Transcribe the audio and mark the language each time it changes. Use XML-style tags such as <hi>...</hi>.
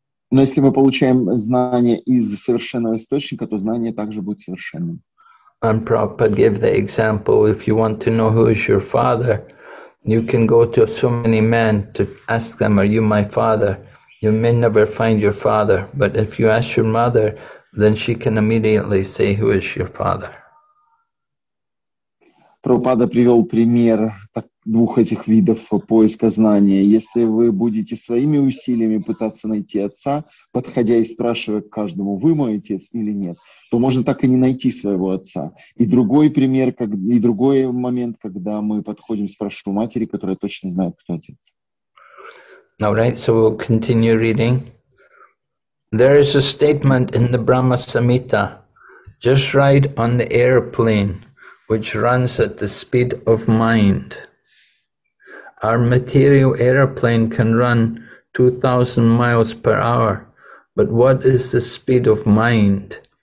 <ru>Но если мы получаем знание из совершенного источника, то знание также будет совершенным.</ru> <en>And Prabhupada gave the example, if you want to know who is your father, you can go to so many men to ask them, are you my father? You may never find your father, but if you ask your mother, then she can immediately say who is your father.</en> <ru>Прабхупада привел пример двух этих видов поиска знания. Если вы будете своими усилиями пытаться найти отца, подходя и спрашивая к каждому, вы мой отец или нет, то можно так и не найти своего отца. И другой пример, и другой момент, когда мы подходим, спрашиваем матери, которая точно знает, кто отец.</ru> <en>All right, so we'll continue reading. There is a statement in the Brahma Samhita, just ride on the airplane, which runs at the speed of mind. Our material aeroplane can run 2,000 miles per hour, but what is the speed of mind?</en>